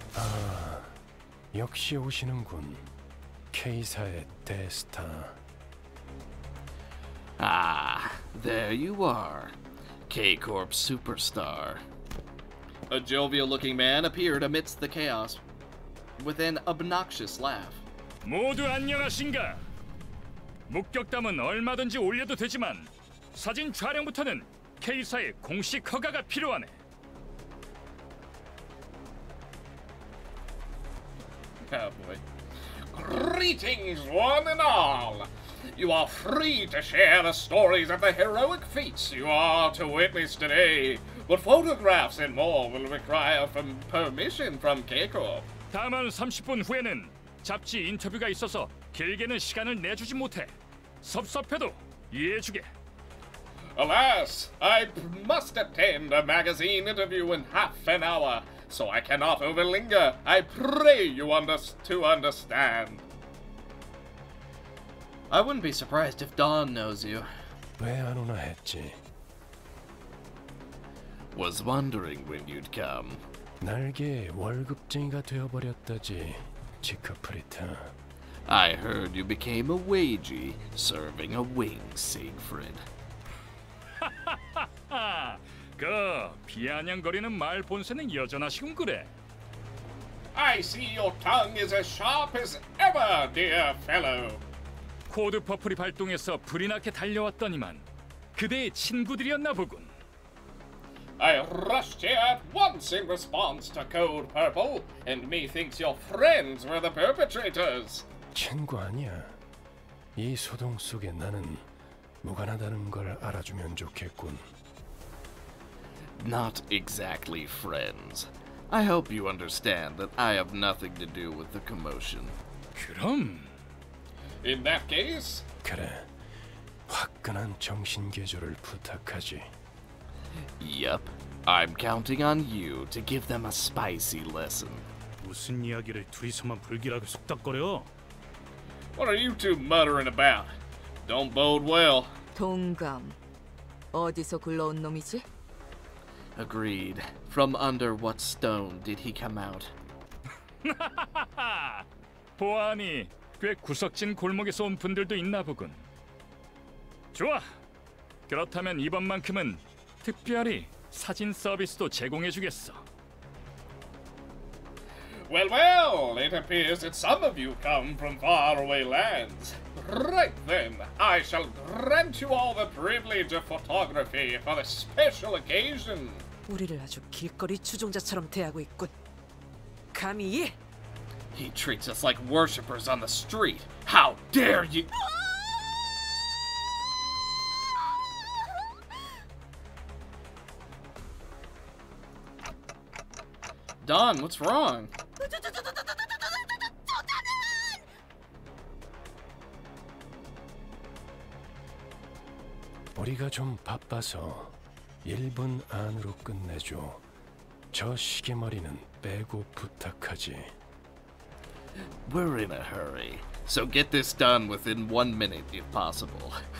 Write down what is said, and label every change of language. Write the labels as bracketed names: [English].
[Korean] 아, 역시 오시는군. K사의 대스타. [English] Ah, there you are. K-Corp superstar. A jovial-looking man appeared amidst the chaos with an obnoxious laugh. [Korean] 모두 안녕하신가? 목격담은 얼마든지 올려도 되지만 사진 촬영부터는 K사의 공식 허가가 필요하네. [English] Oh boy. Greetings, one and all! You are free to share the stories of the heroic feats you are to witness today, but photographs and more will require permission from K-Corp. [Korean] 다만 30분 후에는 잡지 인터뷰가 있어서 길게는 시간을 내주지 못해. 섭섭해도 이해해 주게. [English] Alas, I must attend a magazine interview in half an hour, so I cannot overlinger. I pray you understand. I wouldn't be surprised if Dawn knows you. [Korean] 왜 안 오나 했지? [English] Was wondering when you'd come. [Korean] 날개 월급쟁이가 되어버렸다지, 지크프리트. [English] I heard you became a wagey serving a wing, Siegfried. [Korean] 그 비아냥거리는 말 본세는 여전하시군 그래. [English] I see your tongue is as sharp as ever, dear fellow. [Korean] 코드 퍼플이 발동해서 불이 나게 달려왔더니만 그대의 친구들이었나 보군. [English] I rushed here at once in response to Code Purple, and methinks your friends were the perpetrators. [Korean] 친구 아니야. 이 소동 속에 나는 무관하다는 걸 알아주면 좋겠군. [English] Not exactly friends. I hope you understand that I have nothing to do with the commotion. [Korean] 그럼. [English] In that case? [Korean] 그래. 화끈한 정신계조를 부탁하지. [English] Yup. I'm counting on you to give them a spicy lesson. [Korean] 무슨 이야기를 둘이서만 불길하게 속닥거려? [English] What are you two muttering about? Don't bode well. [Korean] 동감. 어디서 굴러온 놈이지? [English] Agreed. From under what stone did he come out? [Korean] 보아하니 꽤 구석진 골목에서 온 분들도 있나 보군. 좋아. 그렇다면 이번만큼은 특별히 사진 서비스도 제공해 주겠어. [English] Well, well, it appears that some of you come from faraway lands. Right then, I shall grant you all the privilege of photography for the special occasion. [Korean] 우리를 아주 길거리 추종자처럼 대하고 있군. 감히 이해? [English] He treats us like worshippers on the street. How dare you! Don, what's wrong? [Korean] Don, 우리가 좀 바빠서 1분 안으로 끝내줘. 저 시계머리는 빼고 부탁하지. [English] We're in a hurry, so get this done within 1 minute, if possible.